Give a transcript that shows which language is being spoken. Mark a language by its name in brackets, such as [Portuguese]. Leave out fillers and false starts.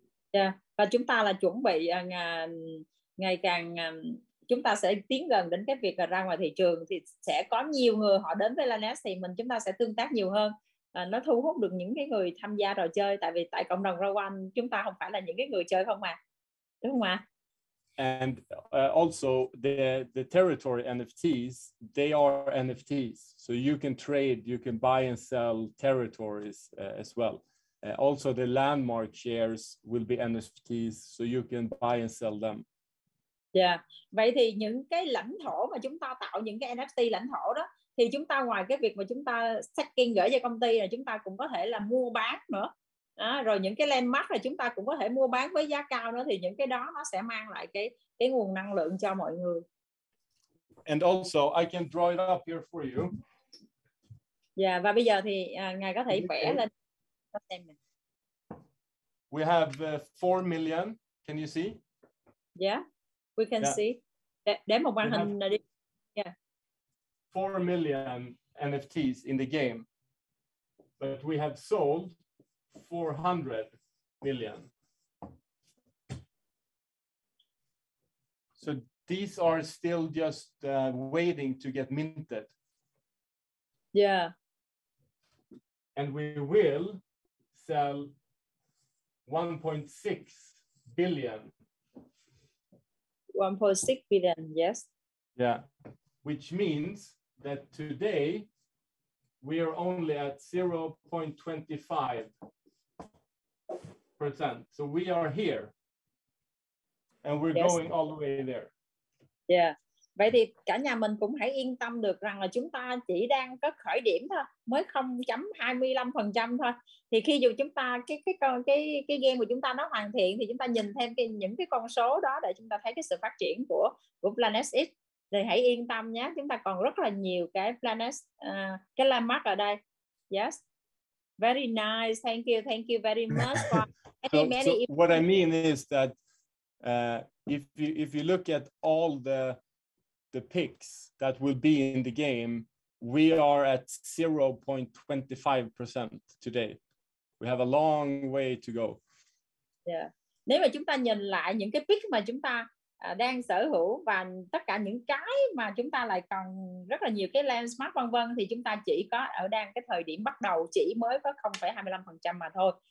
[Vietnamese] Yeah, và chúng ta là chuẩn bị ngày càng chúng ta sẽ tiến gần đến cái việc là ra ngoài thị trường thì sẽ có nhiều người họ đến với Lanes thì mình chúng ta sẽ tương tác nhiều hơn. Nó thu hút được những cái người tham gia trò chơi, tại vì tại cộng đồng Rowan chúng ta không phải là những cái người chơi không mà. Đúng không ạ? [English] And also the territory NFTs, they are NFTs. So you can trade, you can buy and sell territories as well. Also the landmark shares will be NFTs, so you can buy and sell them. Yeah. [Vietnamese] Vậy thì những cái lãnh thổ mà chúng ta tạo những cái NFT lãnh thổ đó, thì chúng ta ngoài cái việc mà chúng ta staking gửi cho công ty là chúng ta cũng có thể là mua bán nữa. À, rồi những cái landmark là chúng ta cũng có thể mua bán với giá cao nữa, thì những cái đó nó sẽ mang lại cái nguồn năng lượng cho mọi người. [English] And also I can draw it up here for you. [Vietnamese] Yeah, và bây giờ thì ngài có thể vẽ lên cho xem mình. [English] We have 4 million, can you see? Yeah. We can see. [Vietnamese] Để một màn hình đi. [English] Yeah. 4 million NFTs in the game. But we have sold 400 million. So these are still just waiting to get minted. Yeah. And we will sell 1.6 billion. 1.6 billion, yes. Yeah. Which means that today we are only at 0.25. percent. So we are here and we're going all the way there. Yeah. [Vietnamese] Vậy thì cả nhà mình cũng hãy yên tâm được rằng là chúng ta chỉ đang có khởi điểm thôi, mới 0.25% thôi. Thì khi dù chúng ta cái game của chúng ta nó hoàn thiện thì chúng ta nhìn thêm những cái con số đó để chúng ta thấy cái sự phát triển của Planet X. Thì hãy yên tâm nhé, chúng ta còn rất là nhiều cái Planet cái landmark ở đây. [English] Yes. Very nice. Thank you very much. So what I mean is that if you look at all the picks that will be in the game, we are at 0.25% today. We have a long way to go. [Vietnamese] Yeah. Nếu mà chúng ta nhìn lại những cái pick mà chúng ta đang sở hữu và tất cả những cái mà chúng ta lại còn rất là nhiều cái landmark vân vân, thì chúng ta chỉ có ở đang cái thời điểm bắt đầu chỉ mới có 0,25% mà thôi.